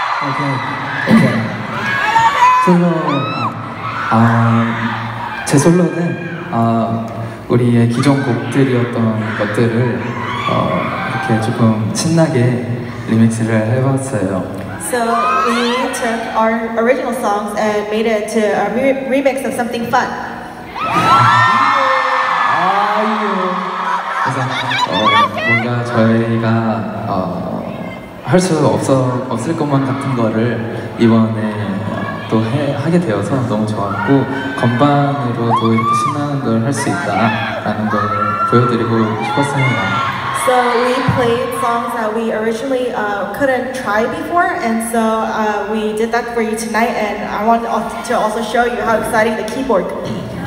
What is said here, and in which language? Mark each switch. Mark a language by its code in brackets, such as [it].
[en] Okay. Okay. So, my solo is, [ko] 우리의 기존 곡들이었던 것들을 이렇게 조금 신나게 리믹스를 해봤어요. [en] So we took our original songs and made it to a remix of something fun. [ko] 뭔가 저희가 할 수 없을 것만 같은 거를 이번에 또 하게 되어서 너무 좋았고 건반으로도 이렇게 신나는 걸 할 수 있다라는 걸 보여드리고 싶었습니다. [en] So we played songs that we originally couldn't try before, and so we did that for you tonight, and I want to also show you how exciting the keyboard could be.